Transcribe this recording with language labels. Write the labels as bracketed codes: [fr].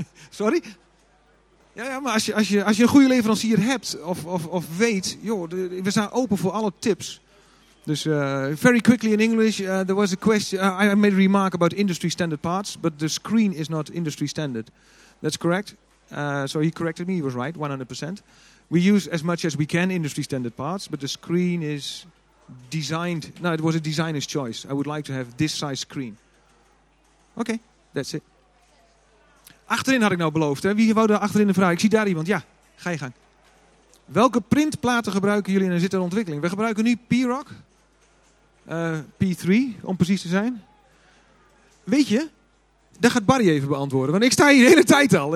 [nl] Sorry? Ja, maar als je een goede leverancier hebt of weet, joh, we staan open voor alle tips. [en] Dus very quickly in English, there was a question. I made a remark about industry standard parts, but the screen is not industry standard. That's correct. So he corrected me, he was right, 100%. We use as much as we can industry standard parts, but the screen is designed. No, it was a designer's choice. I would like to have this size screen. Okay, that's it. [nl] Achterin had ik nou beloofd. Hè? Wie wou daar achterin een vraag? Ik zie daar iemand. Ja, ga je gang. Welke printplaten gebruiken jullie en zit er ontwikkeling? We gebruiken nu P-Rock. P3, om precies te zijn. Weet je? Dat gaat Barry even beantwoorden. Want ik sta hier de hele tijd al.